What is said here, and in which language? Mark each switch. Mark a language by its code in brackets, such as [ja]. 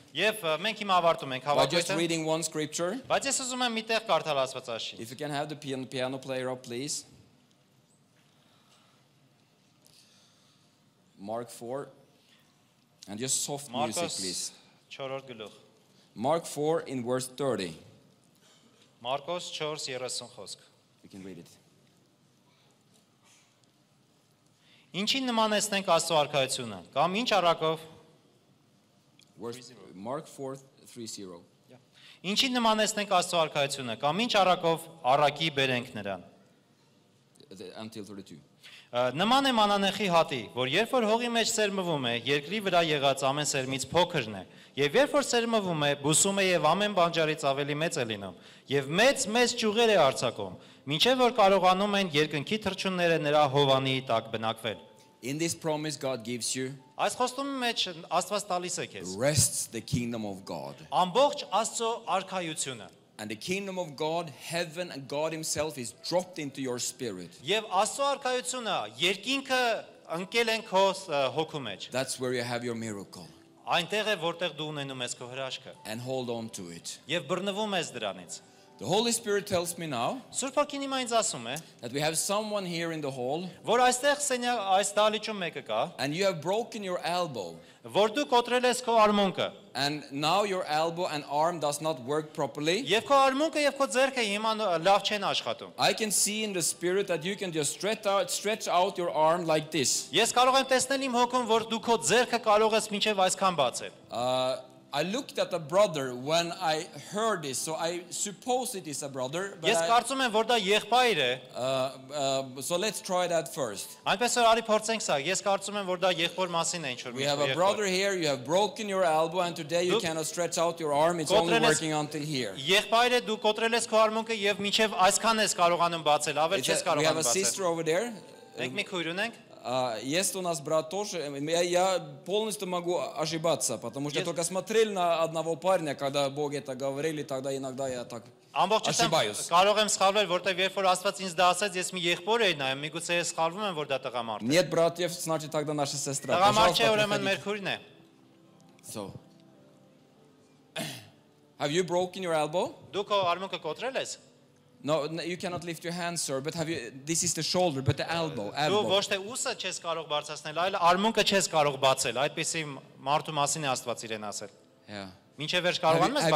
[hy] Եվ մենք հիմա ավարտում ենք հավատքը։ [en] Just reading one scripture. [hy] Բայց ես ուզում եմ մի տեղ կարդալ Աստվածաշնչի։ [en] If you can have the piano player up, please. Mark 4, and just soft Marcos, music, please. [hy] Չորրորդ գլուխ. [en] Mark 4 in verse 30. [hy] Marcos 4:30 խոսք. [en] You can read it. [hy] Ինչին նման է ստենք Աստծո արքայությունը, կամ ինչ առակով? [en] Mark 4:30. [hy] Ինչին նման է ստենք Աստծո արքայությունը, կամ ինչ առակով առակի բերենք նրան? [en] Until 32. [hy] Նման է մանանեխի հատի, որ երբ որ հողի մեջ սերմվում է, երկրի վրա եղած ամեն սերմից փոքրն է, եւ երբ որ սերմվում է, բուսում է եւ ամեն բանջարից ավելի մեծ է լինում, եւ մեծ մեծ ճյուղեր է արձակում, մինչեւ որ կարողանում են երկնքի թռչունները նրա հովանի տակ բնակվել։ [en] In this promise God gives you. [hy] Այս խոստումի մեջ Աստված տալիս է քեզ։ [en] Rests the kingdom of God. [hy] Ամբողջ Աստծո արքայությունը։ [en] And the kingdom of God, heaven and God himself is dropped into your spirit. [hy] Եվ Աստծո արքայությունը երկինքը ընկել են քո հոգու մեջ. [en] That's where you have your miracle. [hy] Այնտեղ է որտեղ դու ունենում ես քո հրաշքը. [en] And hold on to it. [hy] Եվ բռնվում ես դրանից. [en] The Holy Spirit tells me now. [hy] Սուրբ Օքին իմ այնպես ասում է. [en] That we have someone here in the hall. [hy] Որ այստեղ սենյակ այս դալիճում մեկը կա. [en] And you have broken your elbow. [hy] Որ դու կոտրել ես քո արմունկը. [en] And now your elbow and arm does not work properly. [hy] Եվ քո արմունկը եւ քո ձեռքը հիմա լավ չեն աշխատում. [en] I can see in the spirit that you can just stretch out your arm like this. [hy] Ես կարող եմ տեսնել իմ հոգում, որ դու քո ձեռքը կարող ես մինչեւ այսքան բացել. [en] I looked at a brother when I heard this, so I suppose it is a brother. [hy] Ես կարծում եմ, որ դա եղբայր է. [en] So let's try that first. [hy] Այնպես որ արի փորձենք սա, ես կարծում եմ, որ դա եղբոր մասին է ինչ-որ մի բան։ [en] We have a brother here, you have broken your elbow and today you cannot stretch out your arm, it's only working until here. [hy] Եղբայր է, դու կոտրել ես քո արմունկը եւ մինչեւ այսքան ես կարողանում բացել, ավել չես կարողանում բացել։ [en] We have a sister over there. [hy] Մենք մի քույր ունենք։ [ru] Есть у нас брат тоже. Я полностью могу ошибаться, потому что я только смотрел на одного парня, когда Бог это говорил, и тогда иногда я так ошибаюсь. [hy] Կարող եմ սխալվել, որտեղ երբ որ Աստված ինձ դա ասաց, ես մի եղբոր էի նայում, միգուցե ես սխալվում եմ, որ դա տղամարդ է։ [ru] Нет, брат, я значит тогда наша сестра. [hy] Տղամարդ չէ, ուրեմն մեր քույրն է։ [en] So. Have you broken your elbow? [hy] Դու քո արմունկը կոտրել ես? [en] No, you cannot lift your hand, sir, but have you, this is the shoulder, but the elbow, elbow. [hy] Ոչ թե ուսը չես կարող բարձրացնել, այլ արմունկը չես կարող բացել, այդպեսի մարդու մասին է Աստված իրեն ասել. [en] Yeah. [hy] Մինչև վերջ կարողանում ես